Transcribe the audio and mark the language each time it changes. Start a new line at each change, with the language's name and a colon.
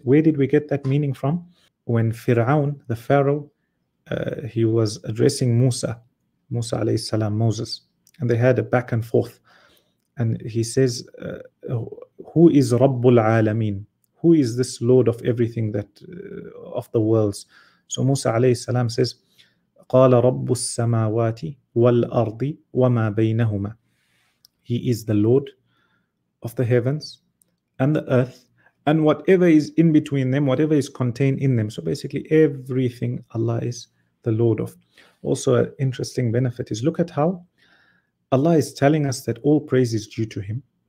English: Where did we get that meaning from? When Fir'aun, the Pharaoh, he was addressing Musa alayhi salam, Moses, and they had a back and forth. And he says, who is Rabbul Alameen? Who is this Lord of everything that of the worlds? So Musa alayhi salam says,
Arabic: قَالَ رَبُّ السَّمَاوَاتِ وَالْأَرْضِ وَمَا بَيْنَهُمَا.
English: He is the Lord of the heavens and the earth, and whatever is in between them, whatever is contained in them. So basically everything Allah is the Lord of. Also an interesting benefit is, look at how Allah is telling us that all praise is due to him.